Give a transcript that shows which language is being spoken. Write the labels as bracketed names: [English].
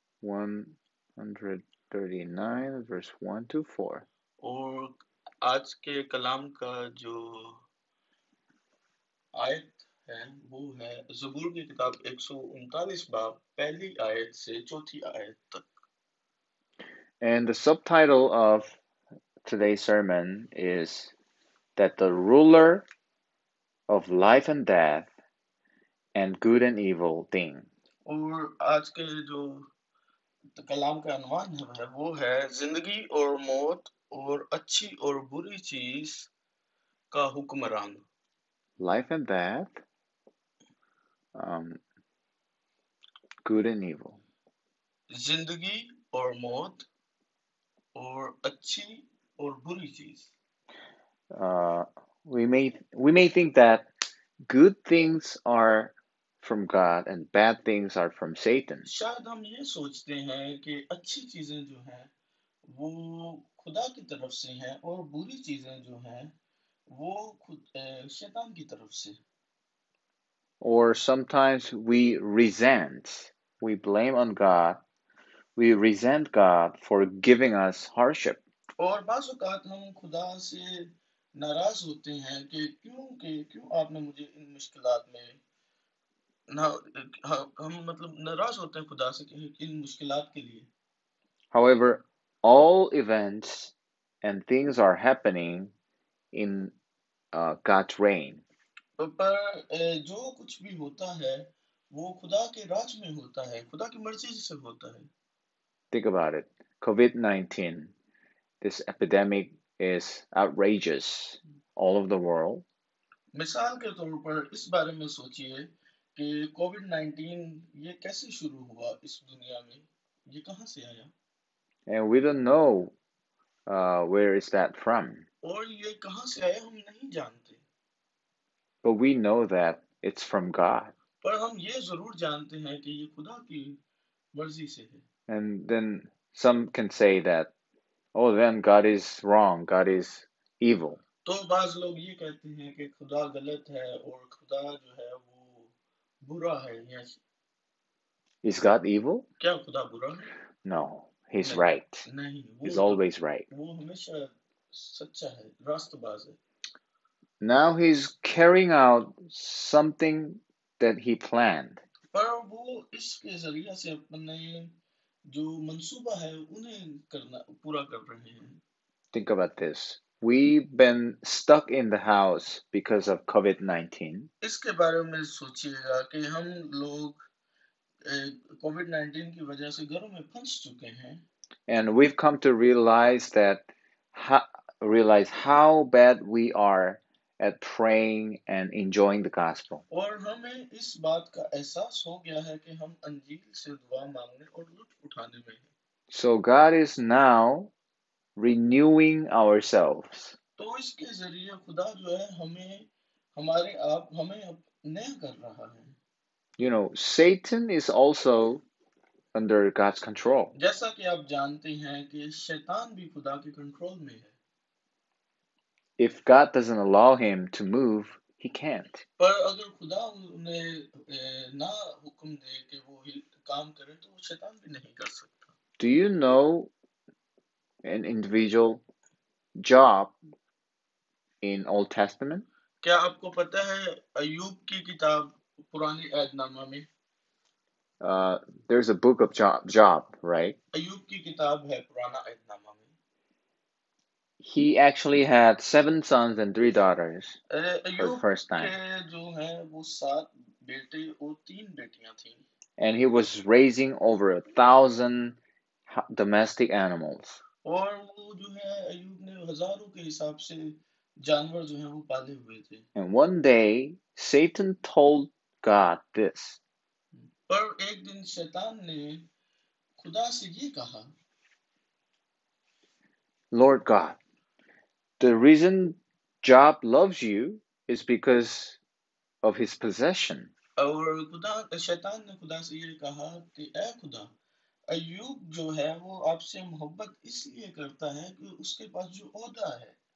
[English] 139, verse 1 to 4. [Hindi] और आज के कलाम का जो आयत है वो है जबूर की किताब 139 बाब पहली आयत से चौथी आयत तक। [English] And the subtitle of today's sermon is that the ruler of life and death and good and evil thing. [Hindi] और आज के जो कलाम का अनुमान है वो है जिंदगी और मौत और अच्छी और बुरी चीज का हुक्मरान। [English] Life and death, good and evil. [Hindi] जिंदगी और मौत और अच्छी और बुरी चीज। [English] We may think that good things are from God and bad things are from Satan. [Hindi] शायद हम ये सोचते हैं कि अच्छी चीजें जो हैं वो खुदा की तरफ से हैं और बुरी चीजें जो हैं वो खुद शैतान की तरफ से। [English] Or sometimes we resent, we blame on God, we resent God for giving us hardship. [Hindi] और बाज़ औक़ात हम खुदा से नाराज होते हैं कि क्यों आपने मुझे इन मुश्किलात में ना हम मतलब नाराज होते हैं खुदा से कि इन मुश्किलात के लिए। [English] However, all events and things are happening in God's reign. [Hindi] पर जो कुछ भी होता है वो खुदा के राज में होता है, खुदा की मर्जी से होता है। [English] Think about it. COVID-19, this epidemic is outrageous all over the world. [Hindi] मिसाल के तौर पर इस बारे में सोचिए कि कोविड-19 ये कैसे शुरू हुआ इस दुनिया में, ये कहाँ से आया [English] And we don't know where is that from. [Hindi] और ये कहाँ से आया हम नहीं जानते। [English] But we know that it's from God. [Hindi] पर हम ये जरूर जानते हैं कि ये खुदा की मर्जी से है। [English] And then some can say that, oh, then God is wrong, God is evil. [Hindi] तो बाज लोग ये कहते हैं कि खुदा गलत है और खुदा जो है वो बुरा है। या [English] Is God evil? [Hindi] क्या खुदा बुरा है? [English] No. He's [Hindi] नहीं, [English] right. [Hindi] नहीं, [English] He's always right. [Hindi] वो हमेशा सच्चा है, रास्तबाज है। [English] Now he's carrying out something that he planned. [Hindi] पर वो इसके जरिए से अपने जो मंसूबा है उन्हें करना पूरा कर रहे हैं। [English] Think about this. We've been stuck in the house because of COVID-19. [Hindi] इसके बारे में सोचिएगा कि हम लोग कोविड-19 की वजह से घरों में फंस चुके हैं। [English] And we've come to realize that, realize how bad we are at praying and enjoying the gospel. [Hindi] और हमें इस बात का एहसास हो गया है कि हम अंजील से दुआ मांगने और लुत्फ उठाने में हैं। [English] So God is now renewing ourselves. [Hindi] तो इसके जरिए खुदा जो है हमें हमारे आप हमें अब नया कर रहा है, [English] You know, Satan is also under God's control. [Hindi] जैसा कि आप जानते हैं कि शैतान भी खुदा के कंट्रोल में है, [English] If God doesn't allow him to move, he can't. [Hindi] पर अगर खुदा उन्हें ना हुक्म दे कि वो काम करें तो वो शैतान भी नहीं कर सकता। [English] Do you know an individual job in Old Testament? [Hindi] क्या आपको पता है अय्यूब की किताब पुरानी ऐदनामा में, [English] There's a book of job, right? [Hindi] अय्यूब की किताब है पुराना ऐदनामा में, [English] He actually had seven sons and three daughters for the [Hindi] Ayyub [English] first time. [Hindi] के जो है वो 7 बेटे और 3 बेटियां थी। [English] And he was raising over 1,000 domestic animals. [Hindi] और वो जो है अय्यूब ने हजारों के हिसाब से जानवर जो है वो पाले हुए थे। पर [English] And one day, Satan told God this. [Hindi] एक दिन शैतान ने खुदा से ये कहा, [English] Lord God, the reason Job loves you is because of his possession. [Hindi] और खुदा शैतान ने खुदा से ये कहा कि ऐ खुदा, अय्यूब जो है वो आपसे मोहब्बत इसलिए करता है कि उसके पास जो ओहदा है।